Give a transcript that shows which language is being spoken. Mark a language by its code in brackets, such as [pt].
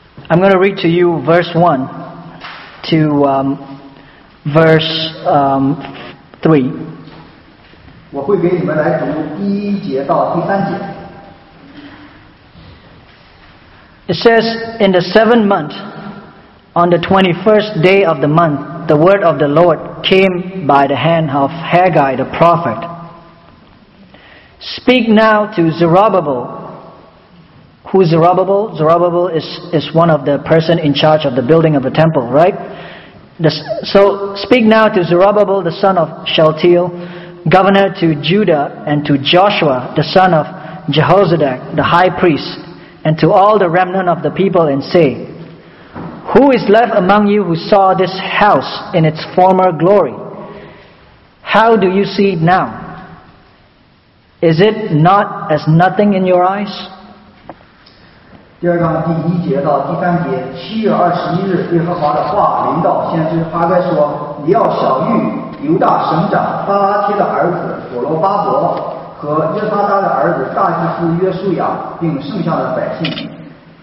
[en] I'm going to read to you verse 1 to verse 3. [zh] 我会给你们来读第一节到第三节。 [en] It says, In the seventh month, on the 21st day of the month, the word of the Lord came by the hand of Haggai the prophet. Speak now to Zerubbabel, Who is Zerubbabel? Zerubbabel is one of the person in charge of the building of the temple, right? So speak now to Zerubbabel, the son of Shealtiel, governor to Judah, and to Joshua, the son of Jehozadak, the high priest, and to all the remnant of the people, and say, who is left among you who saw this house in its former glory? How do you see it now? Is it not as nothing in your eyes? [zh] 第二章第一节到第三节，七月二十一日，耶和华的话临到先知哈该说：“你要小谕犹大省长巴拉帖的儿子所罗巴伯和耶撒达的儿子大祭司约书亚，并剩下的百姓。”